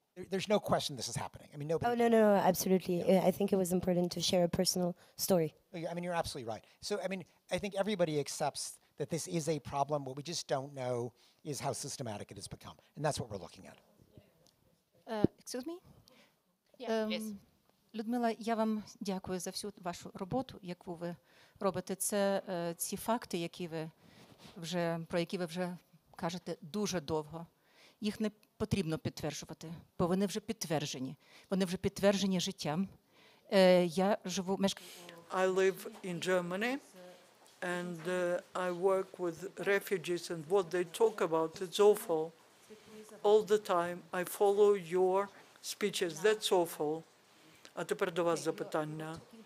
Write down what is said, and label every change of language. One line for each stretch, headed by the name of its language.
English: There's no question this is happening. I mean, nobody. Oh, no, absolutely. Yeah. I think it was important to share a personal story. I mean, you're absolutely right. So, I think everybody accepts that this is a problem. What we just don't know is how systematic it has become. And that's what we're looking at. Excuse me? Yeah. Yes.
Ukrainian: Людмила, я вам дякую за всю вашу роботу, яку ви робите. Це ці факти, які ви вже, про які ви вже кажете дуже довго. Їх не потрібно підтверджувати, бо вони вже підтверджені. Вони вже підтверджені життям. Я живу,
English: I live in Germany and I work with refugees and what they talk about, it's awful. All the time I follow your speeches, that's awful.
Ukrainian: А тепер до вас запитання.